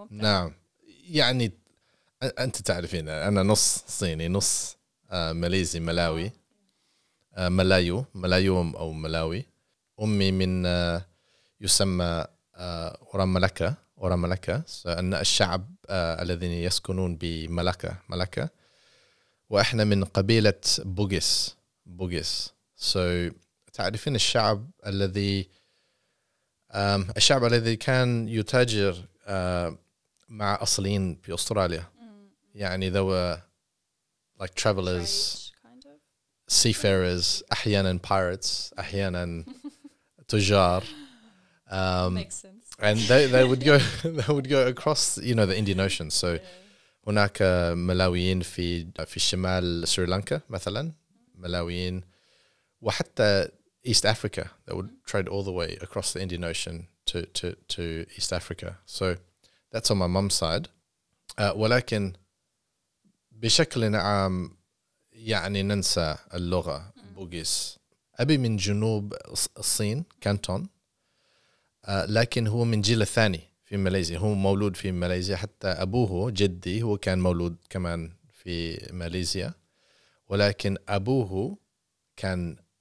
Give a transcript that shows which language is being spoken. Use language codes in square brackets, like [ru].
[ar] نعم يعني أنت تعرفين أنا نص صيني نص ماليزي ملاوي ملايو أو ملاوي أمي من يسمى أوراملكا أن الشعب الذين يسكنون بملاكا وإحنا من قبيلة بوغيس so تعرفين الشعب الذي كان يتاجر مع أصليين في أستراليا يعني [en] they were like travelers, seafarers, [ar] أحياناً pirates, أحياناً تجار. [en] Makes sense. And they would go across, you know, the Indian Ocean. [ar] So هناك ملاويين في شمال سريلانكا مثلاً ملاويين وحتى East Africa. [en] They would trade all the way across the Indian Ocean to East Africa. So that's on my mum's side. [ar] ولكن بشكل عام يعني ننسى اللغة بوغيس أبي من جنوب الصين كانتون لكن هو من جيل الثاني في ماليزيا هو مولود في ماليزيا حتى أبوه جدي هو كان مولود كمان في ماليزيا ولكن أبوه كان